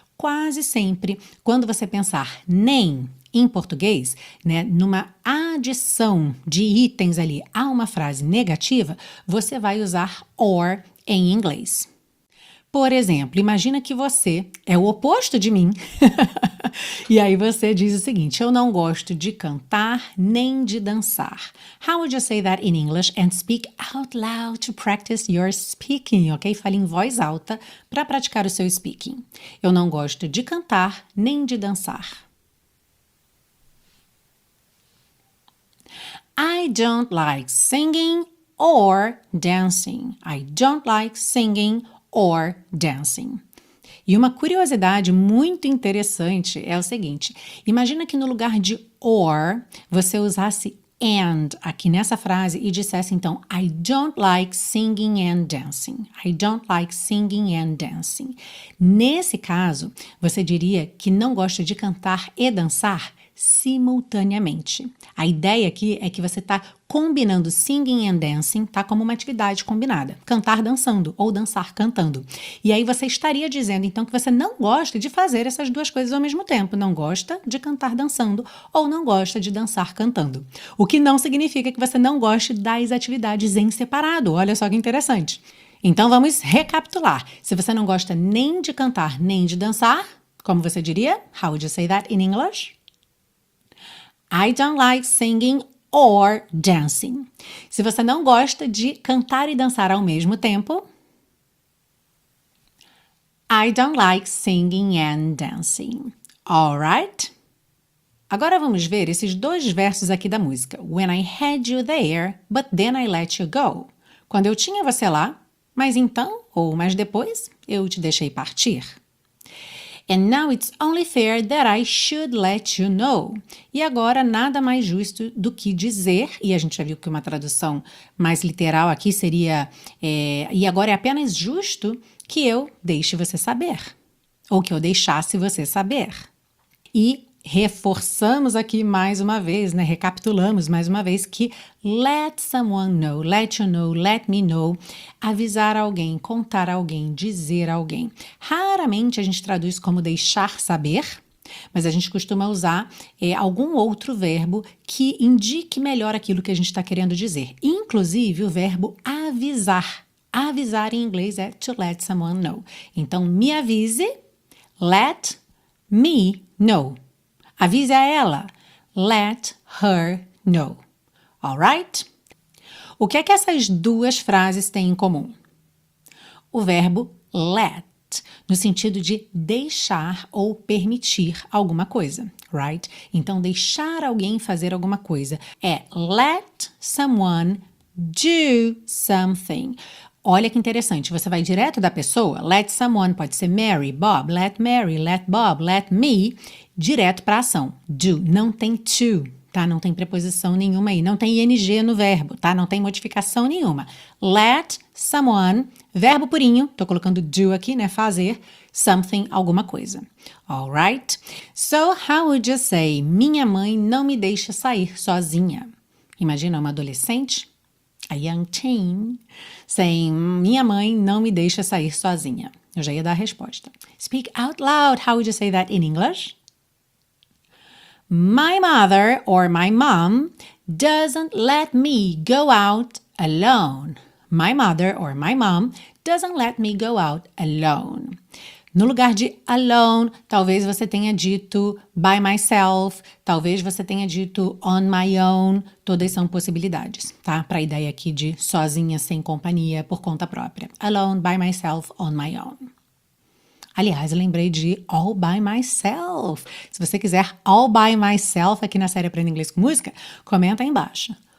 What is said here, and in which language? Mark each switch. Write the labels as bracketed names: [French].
[Portuguese] Quase sempre, quando você pensar nem em português, né, numa adição de itens ali a uma frase negativa, você vai usar or em inglês. Por exemplo, imagina que você é o oposto de mim. E aí você diz o seguinte, eu não gosto de cantar nem de dançar. [English] How would you say that in English and speak out loud to practice your speaking, ok? [Portuguese] Fale em voz alta para praticar o seu speaking. Eu não gosto de cantar nem de dançar. [English] I don't like singing or dancing. I don't like singing or dancing. [Portuguese] E uma curiosidade muito interessante é o seguinte: imagina que no lugar de or, você usasse and aqui nessa frase e dissesse então, [English] I don't like singing and dancing. I don't like singing and dancing. [Portuguese] Nesse caso, você diria que não gosta de cantar e dançar simultaneamente. A ideia aqui é que você está combinando [English] singing and dancing, [Portuguese] tá, como uma atividade combinada, cantar dançando ou dançar cantando. E aí você estaria dizendo então que você não gosta de fazer essas duas coisas ao mesmo tempo, não gosta de cantar dançando ou não gosta de dançar cantando. O que não significa que você não goste das atividades em separado, olha só que interessante. Então vamos recapitular, se você não gosta nem de cantar nem de dançar, como você diria? [English] How would you say that in English? I don't like singing or dancing. [Portuguese] Se você não gosta de cantar e dançar ao mesmo tempo, [English] I don't like singing and dancing. All right? [Portuguese] Agora vamos ver esses dois versos aqui da música. [English] When I had you there, but then I let you go. [Portuguese] Quando eu tinha você lá, mas então, ou mas depois, eu te deixei partir. [English] And now it's only fair that I should let you know. [Portuguese] E agora nada mais justo do que dizer, e a gente já viu que uma tradução mais literal aqui seria, e agora é apenas justo que eu deixe você saber, ou que eu deixasse você saber. E reforçamos aqui mais uma vez, né? Recapitulamos mais uma vez que [English] let someone know, let you know, let me know, [Portuguese] avisar alguém, contar alguém, dizer alguém. Raramente a gente traduz como deixar saber, mas a gente costuma usar algum outro verbo que indique melhor aquilo que a gente está querendo dizer. Inclusive o verbo avisar. Avisar em inglês é [English] to let someone know. [Portuguese] Então me avise, [English] let me know. [Portuguese] Avise a ela, [English] let her know, all right? [Portuguese] O que é que essas duas frases têm em comum? O verbo let, no sentido de deixar ou permitir alguma coisa, right? Então, deixar alguém fazer alguma coisa é [English] let someone do something. [Portuguese] Olha que interessante, você vai direto da pessoa, let someone, pode ser Mary, let Bob, let me, direto para a ação, do, não tem to, tá? Não tem preposição nenhuma aí, não tem ing no verbo, tá? Não tem modificação nenhuma, let someone, verbo purinho, tô colocando do aqui, né, fazer, something, alguma coisa, alright? [English] So, how would you say, [Portuguese] minha mãe não me deixa sair sozinha? Imagina uma adolescente, [English] a young teen, saying, [Portuguese] minha mãe não me deixa sair sozinha. Eu já ia dar a resposta. [English] Speak out loud. How would you say that in English? My mother or my mom doesn't let me go out alone. My mother or my mom doesn't let me go out alone. [Portuguese] No lugar de alone, talvez você tenha dito [English] by myself, [Portuguese] talvez você tenha dito [English] on my own, [Portuguese] todas são possibilidades, tá? Para a ideia aqui de sozinha, sem companhia, por conta própria. [English] Alone, by myself, on my own. [Portuguese] Aliás, lembrei de all by myself. Se você quiser all by myself aqui na série Aprenda Inglês com Música, comenta aí embaixo.